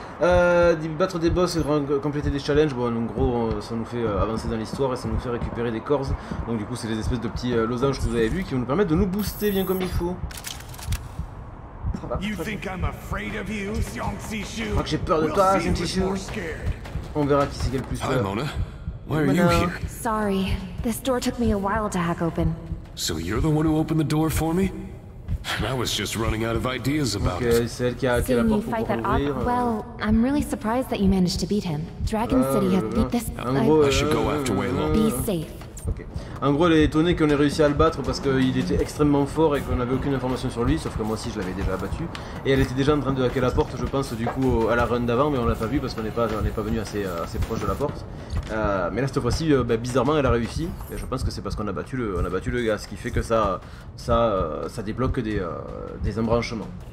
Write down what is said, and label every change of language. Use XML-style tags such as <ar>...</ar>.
<fr>Battre des boss et compléter des challenges. Bon, en gros, ça nous fait avancer dans l'histoire et ça nous fait récupérer des corses. Donc du coup, c'est des espèces de petits losanges que vous avez vus qui vont nous permettre de nous booster bien comme il faut. Je crois que j'ai peur de toi, Xiangxishu. On verra qui c'est qui a le plus peur.</fr> <en>Why are you here? Sorry, this door took me a while to hack open. So you're the one who opened the door for me? I was just running out of ideas about it.</en> <fr>Okay, celle qui a hacké la porte pour ouvrir.</fr> <en>Well, I'm really surprised that you managed to beat him. Dragon City has beat this. I should go after Waylon. Be safe. Okay.</en> <fr>En gros, elle est étonnée qu'on ait réussi à le battre parce qu'il était extrêmement fort et qu'on n'avait aucune information sur lui, sauf que moi aussi je l'avais déjà battu. Et elle était déjà en train de hacker la porte, je pense, du coup, à la run d'avant, mais on l'a pas vu parce qu'on n'est pas venu assez proche de la porte. Mais là, cette fois-ci, bizarrement, elle a réussi. Et je pense que c'est parce qu'on a battu le gars, ce qui fait que ça débloque des embranchements.</fr>